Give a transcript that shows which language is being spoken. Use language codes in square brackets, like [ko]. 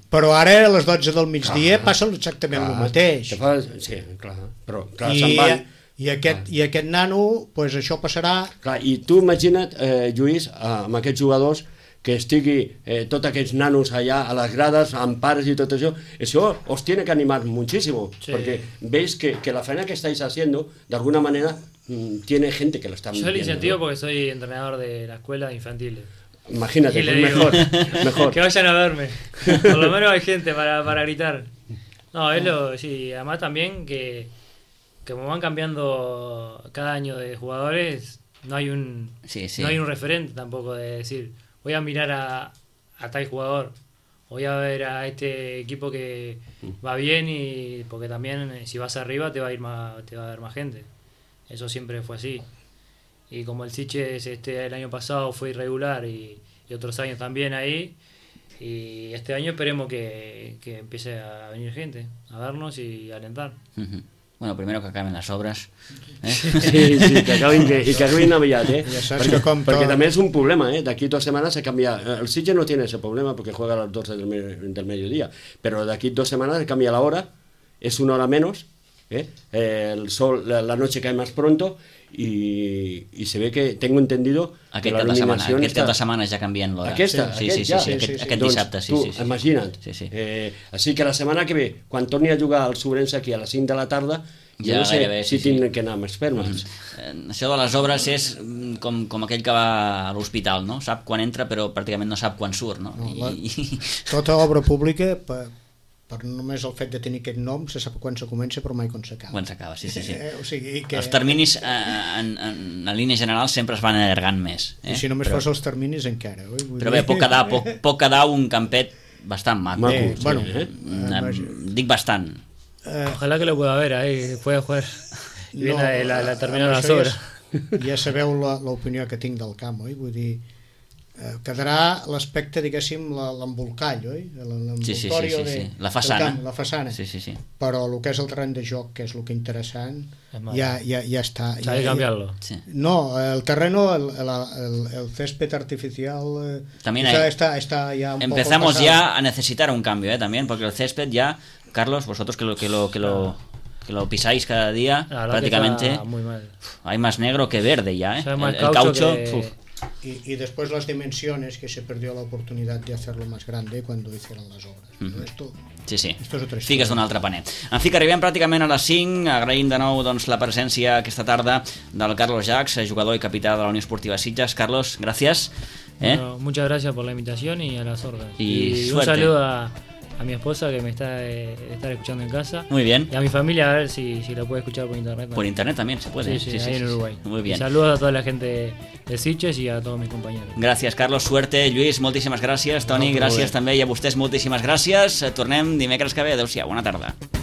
[ca] Però ara a les 12 del migdia, clar, passa exactament, clar, el mateix. Sí, clar, però clar, se'n van... I aquest nano, pues això passarà... Clar, i tu imagina't, Lluís, amb aquests jugadors, que estigui tots aquests nanos allà a les grades, amb pares i tot això, això [es] os tiene que animar [ca] moltíssim, sí, [es] perquè veis que [ca] la feina [es] que estáis haciendo, [ca] d'alguna manera, [es] tiene gente que lo está viendo. Soy licenciado, ¿no? Porque soy entrenador de la escuela infantil. Imagínate, pues mejor. Que vayan a verme. Por lo menos hay gente para gritar. No, es lo... Sí, además también que... Como van cambiando cada año de jugadores, no hay un, sí, sí, no hay un referente tampoco de decir, voy a mirar a tal jugador, voy a ver a este equipo que va bien, y porque también si vas arriba te va a ver más gente. Eso siempre fue así. Y como el Siches el año pasado fue irregular y otros años también ahí, y este año esperemos que empiece a venir gente a vernos y a alentar. Uh-huh. Bueno, primero que acaben las obras, ¿eh? Sí, sí, que acaben aviat, ¿eh? [ca] Ja perquè, perquè també és un problema, ¿eh? D'aquí dues setmanes se canvia... [es] El Sitges no tiene ese problema porque juega a las 12 del mediodía, pero [ca] d'aquí dues setmanes se canvia [es] la hora, es una hora menos, el sol, la noche cae más pronto, y se ve que tengo entendido [ca] aquest [es] que la iluminación... [ca] Aquest cap de setmana ja canvien l'hora. Aquesta? Sí, sí, aquest dissabte, sí. Doncs tu, imagina't. Sí, sí. Així que la setmana que ve, quan torni a jugar al Sobrense aquí a les 5 de la tarda, ja, jo no sé gairebé, sí, si tindré que anar amb espermes. Això de les obres és com aquell que va a l'hospital, no? Sap quan entra, però pràcticament no sap quan surt, no? Tota obra pública... Per només el fet de tenir aquest nom se sap quan se comença, però mai quan s'acaba. Quan s'acaba, sí, sí, sí. O sigui, que... Els terminis, en línia general, sempre es van allargant més. I si només però... fos els terminis, encara. Oi? Però bé, poc quedar un campet bastant maco. Maco, sí. Bueno, dic bastant. [es] Ojalá que lo pueda ver, ahí, pueda jugar. Y no, la terminada a sobre. [ca] Ja sabeu l'opinió que tinc del camp, oi? Vull dir... quedarà l'aspecte, diguéssim, l'embolcall, oi? L'envoltori, sí, sí, sí, sí, sí. La façana. Sí, sí, sí. Però el que és el terreny de joc, que és el que interessant, ja està. S'ha de canviar-lo. Sí. [es] No, el terreno, el césped artificial... [ca] També hi ha... Està ja un [es] empezamos poco ya a necesitar un cambio, también, porque el césped ya... Carlos, vosotros que lo pisáis cada día, prácticamente... Muy mal. Hay más negro que verde ya, O sea, el caucho... Que... Y después las dimensiones, que se perdió la oportunidad de hacerlo más grande cuando hicieron las obras. Mm-hmm. Esto, sí, sí. Esto es otra [ca] historia. Figues d'un altre panet. En fi, que arribem pràcticament a les 5. Agraïm de nou la presència aquesta tarda del Carlos Jacques, jugador i capità de la Unió Esportiva Sitges. [es] Carlos, gracias. Bueno, muchas gracias por la invitación y a las órdenes. Y un saludo a mi esposa, que me está escuchando en casa. Muy bien. Y a mi familia, a ver si lo puede escuchar por internet. ¿No? Por internet también se puede. Sí, sí, sí, sí, en Uruguay. Muy bien. Saludos a toda la gente de Sitges y a todos mis compañeros. Gracias, Carlos. Suerte. [ca] Lluís, moltíssimes gràcies. Toni, gràcies també. I a vostès, moltíssimes gràcies. Tornem dimecres que ve. Adéu-siau. Bona tarda.